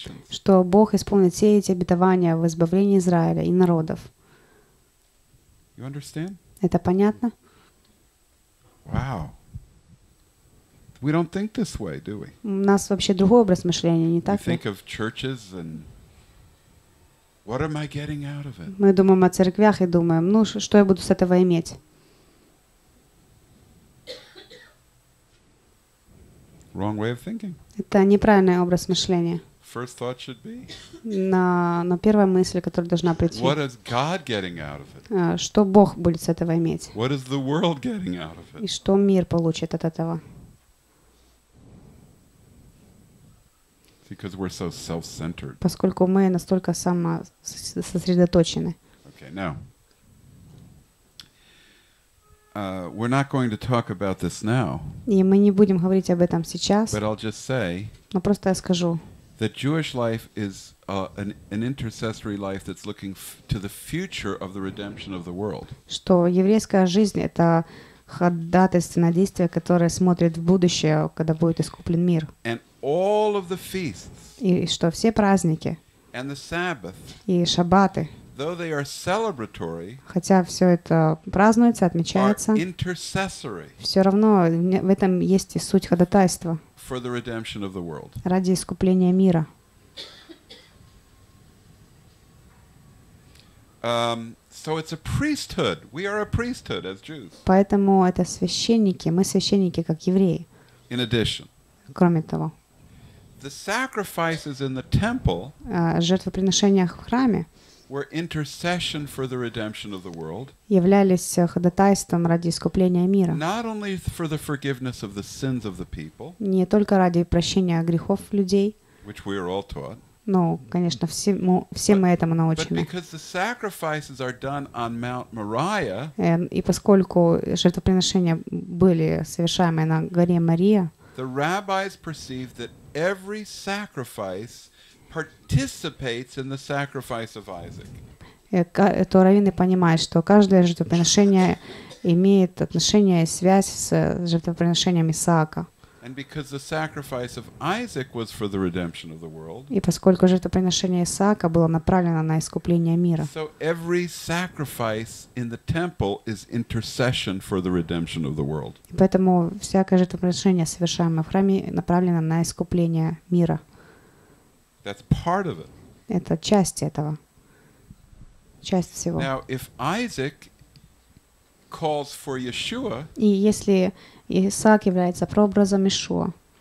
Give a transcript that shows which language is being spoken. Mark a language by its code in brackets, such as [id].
[ru] Что Бог исполнит все эти обетования в избавлении Израиля и народов. Это понятно? Вау. [en] We don't think this way, do we? [ru] У нас вообще другой образ мышления, не так ли? [en] We think of churches and what am I getting out of it? [ru] Мы думаем о церквях и думаем, что я буду с этого иметь? [en] Wrong way of thinking. [ru] Это неправильный образ мышления. [en] First thought should be. [ru] Но первая мысль, которая должна прийти. [en] What is God getting out of it? [ru] Что Бог будет с этого иметь? [en] What is the world getting out of it? [ru] И что мир получит от этого? [en] Because we're so self-centered. [ru] Поскольку мы настолько самососредоточены. [en] Okay, now. We're not going to talk about this now. [ru] И мы не будем говорить об этом сейчас. [en] But I'll just say. [ru] Но просто я скажу. [en] That Jewish life is an intercessory life that's looking to the future of the redemption of the world. [ru] Что еврейская жизнь — это ходатайственное действие, которое смотрит в будущее, когда будет искуплен мир. [en] All of the feasts, [ru] и что все праздники, [en] and the Sabbath, [ru] и шаббаты, [en] though they are celebratory, [ru] хотя все это празднуется, отмечается, [en] are intercessory, [ru] все равно в этом есть и суть ходатайства [en] for the redemption of the world. [ru] Ради искупления мира. [en] So it's a priesthood. We are a priesthood as Jews. [ru] Поэтому это священники, мы священники как евреи. [en] In addition, [ru] кроме того. [en] The sacrifices in the temple, [ru] жертвоприношения в храме, [en] were intercession for the redemption of the world, [ru] являлись ходатайством ради искупления мира. [en] Not only for the forgiveness of the sins of the people, [ru] не только ради прощения грехов людей, [en] which we are all taught, [ru] конечно, все мы этому научены. [en] But because the sacrifices are done on Mount Moriah, [ru] и поскольку жертвоприношения были совершаемые на горе Мария, [en] the rabbis perceived that every sacrifice participates in the sacrifice of Isaac. [ru] То раввины понимают, что каждое жертвоприношение имеет отношение и связь с жертвоприношением Исаака. [en] And because the sacrifice of Isaac was for the redemption of the world. [ru] И поскольку жертвоприношение Исаака было направлено на искупление мира. [en] So every sacrifice in the temple is intercession for the redemption of the world. [ru] Поэтому всякое жертвоприношение, совершаемое в храме, направлено на искупление мира. [en] That's part of it. [ru] Это часть этого. Часть всего. [en] Now if Isaac calls for Yeshua. [ru] И если Исаак является прообразом Иешуа.